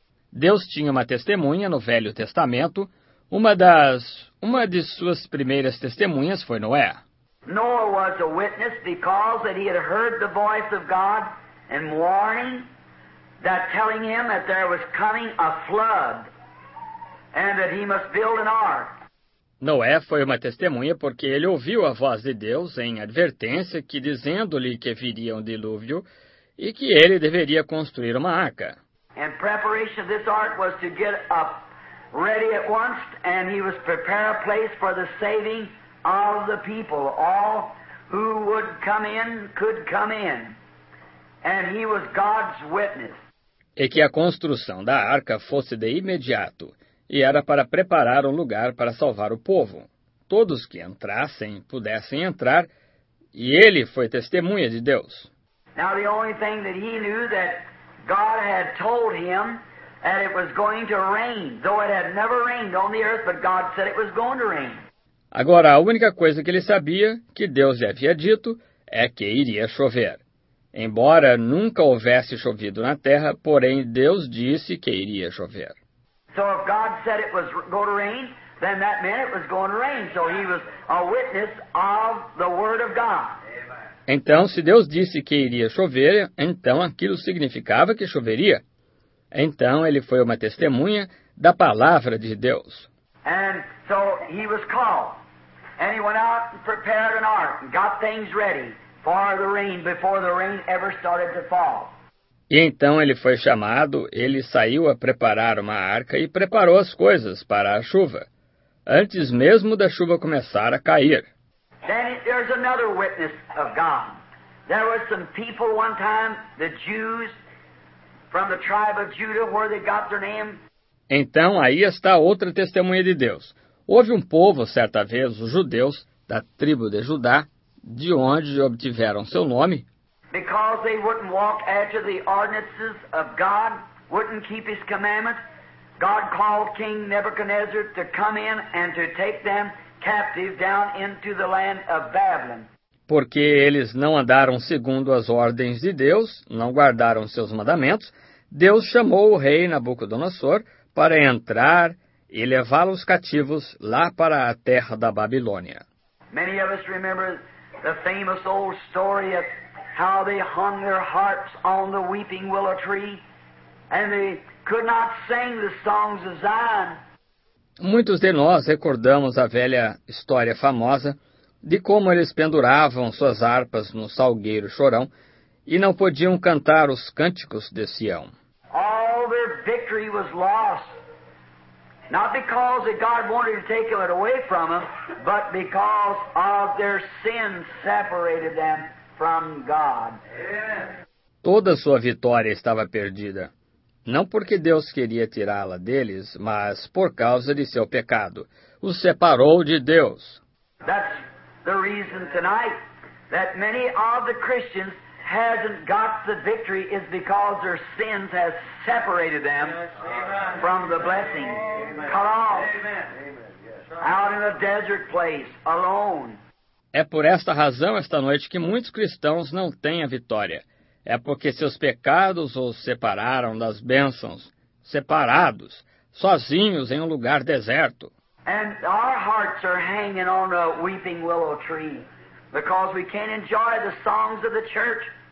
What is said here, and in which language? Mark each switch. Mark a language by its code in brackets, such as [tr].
[pt] Deus tinha uma testemunha no Velho Testamento. Uma de suas primeiras testemunhas foi Noé. [en] Noah was a witness because that he had heard the voice of God and warning, that telling him that there was coming a flood and that he must build an ark. [pt] Noé foi uma testemunha porque ele ouviu a voz de Deus em advertência que dizendo-lhe que viria um dilúvio e que ele deveria construir uma arca. [en] And preparation of this ark was to get up ready at once, and he was prepare a place for the saving of the people. All who would come in could come in. And he was God's witness. [pt] E que a construção da arca fosse de imediato, e era para preparar um lugar para salvar o povo. Todos que entrassem pudessem entrar, e ele foi testemunha de Deus. [en] Now the only thing that he knew that God had told him that it was going to rain, though it had never rained on the earth, but God said it was going to rain. [pt] Agora, a única coisa que ele sabia que Deus lhe havia dito é que iria chover. Embora nunca houvesse chovido na terra, porém Deus disse que iria chover. [en] So if God said it was going to rain, then that meant it was going to rain. So he was a witness of the word of God. [pt] Então, se Deus disse que iria chover, então aquilo significava que choveria. Então, ele foi uma testemunha da palavra de Deus. [en] And so he was called. And he went out and prepared an ark and got things ready for the rain before the rain ever started to fall. [pt] E então ele foi chamado, ele saiu a preparar uma arca e preparou as coisas para a chuva, antes mesmo da chuva começar a cair. [en] Then there's another witness of God. There were some people one time, the Jews from the tribe of Judah, where they got their name. [pt] Então aí está outra testemunha de Deus. Houve um povo certa vez, os judeus da tribo de Judá, de onde obtiveram seu nome. [en] Because they wouldn't walk after the ordinances of God, wouldn't keep his commandments, God called King Nebuchadnezzar to come in and to take them captive down into the land of Babylon. [pt] Porque eles não andaram segundo as ordens de Deus, não guardaram seus mandamentos, Deus chamou o rei Nabucodonosor para entrar e levá-los cativos lá para a terra da Babilônia. [en] Many of us remember the famous old story of how they hung their harps on the weeping willow tree and they could not sing the songs of Zion. [pt] Muitos de nós recordamos a velha história famosa de como eles penduravam suas harpas no salgueiro Chorão e não podiam cantar os cânticos de Sião. [en] All their victory was lost. Not because God wanted to take it away from them, but because of their sin separated them from God. [pt] Toda sua vitória estava perdida. Não porque Deus queria tirá-la deles, mas por causa de seu pecado. Os separou de Deus. [en] That's the reason tonight that many of the Christians hasn't got the victory is because their sins has separated them from the blessing. Cut off. Out in a desert place, alone. [pt] É por esta razão esta noite que muitos cristãos não têm a vitória. É porque seus pecados os separaram das bênçãos, separados, sozinhos em um lugar deserto. [en] And our hearts are hanging on a weeping willow tree because we can't enjoy the songs of the church.